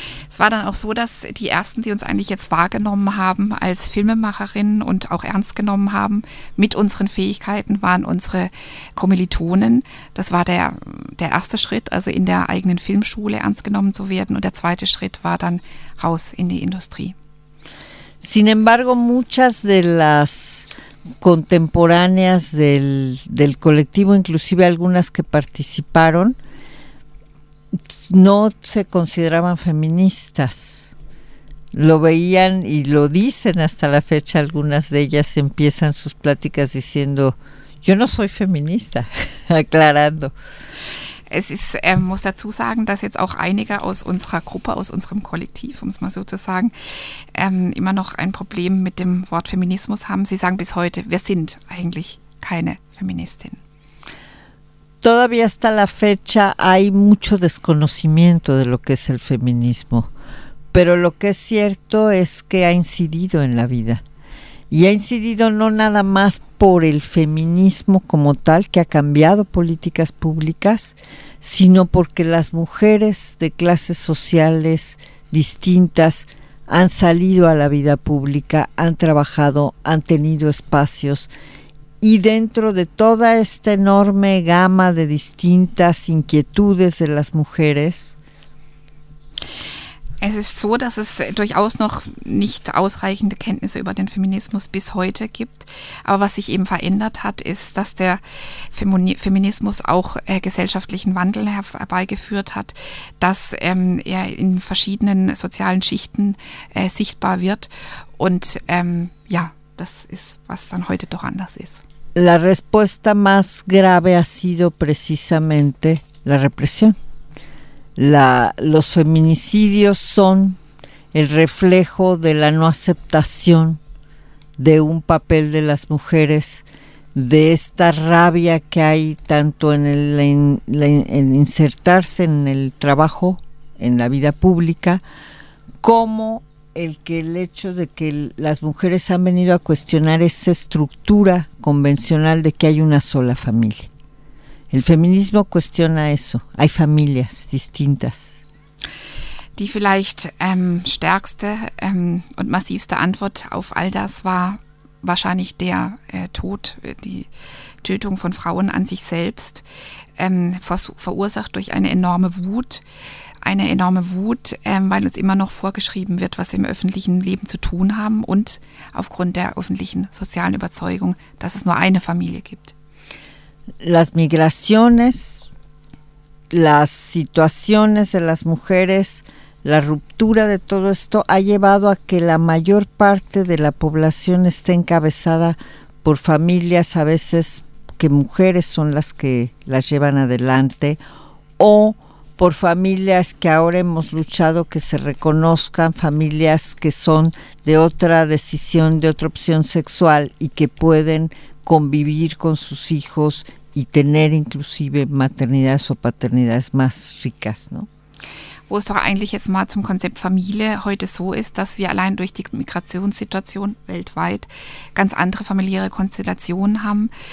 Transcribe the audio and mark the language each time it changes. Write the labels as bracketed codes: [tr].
[de] Es war dann auch so, dass die ersten, die uns eigentlich jetzt wahrgenommen haben als Filmemacherinnen und auch ernst genommen haben mit unseren Fähigkeiten, waren unsere Kommilitonen. Das war der erste Schritt, also in der eigenen Filmschule ernst genommen zu werden. Und der zweite Schritt war dann raus in die Industrie. [es] Sin embargo, muchas de las contemporáneas del colectivo, inclusive algunas que participaron, no se consideraban feministas. Lo veían y lo dicen hasta la fecha. Algunas de ellas empiezan sus pláticas diciendo, yo no soy feminista, aclarando. [de] Es ist, muss dazu sagen, dass jetzt auch einige aus unserer Gruppe, aus unserem Kollektiv, um es mal so zu sagen, immer noch ein Problem mit dem Wort Feminismus haben. Sie sagen bis heute, wir sind eigentlich keine Feministin. [es] Todavía hasta la fecha hay mucho desconocimiento de lo que es el feminismo, pero lo que es cierto es que ha incidido en la vida y ha incidido no nada más por el feminismo como tal, que ha cambiado políticas públicas, sino porque las mujeres de clases sociales distintas han salido a la vida pública, han trabajado, han tenido espacios y dentro de toda esta enorme gama de distintas inquietudes de las mujeres. [de] Es ist so, dass es durchaus noch nicht ausreichende Kenntnisse über den Feminismus bis heute gibt. Aber was sich eben verändert hat, ist, dass der Feminismus auch gesellschaftlichen Wandel herbeigeführt hat, dass er in verschiedenen sozialen Schichten sichtbar wird. Und ja, das ist, was dann heute doch anders ist. [es] La respuesta más grave ha sido precisamente la represión. Los feminicidios son el reflejo de la no aceptación de un papel de las mujeres, de esta rabia que hay tanto en insertarse en el trabajo, en la vida pública, como el hecho de que las mujeres han venido a cuestionar esa estructura convencional de que hay una sola familia. El feminismo cuestiona eso. Hay familias distintas. [de] Die vielleicht stärkste und massivste Antwort auf all das war wahrscheinlich der Tod, die Tötung von Frauen an sich selbst, verursacht durch eine enorme Wut. Eine enorme Wut, weil uns immer noch vorgeschrieben wird, was wir im öffentlichen Leben zu tun haben und aufgrund der öffentlichen sozialen Überzeugung, dass es nur eine Familie gibt. [es] Las migraciones, las situaciones de las mujeres, la ruptura de todo esto ha llevado a que la mayor parte de la población esté encabezada por familias, a veces que mujeres son las que las llevan adelante, o por familias que ahora hemos luchado que se reconozcan, familias que son de otra decisión, de otra opción sexual y que pueden convivir con sus hijos y tener inclusive maternidades o paternidades más ricas, ¿no? [de] Wo es doch eigentlich jetzt mal zum Konzept Familie heute so ist, dass wir allein durch die Migrationssituation weltweit ganz andere familiäre Konstellationen haben.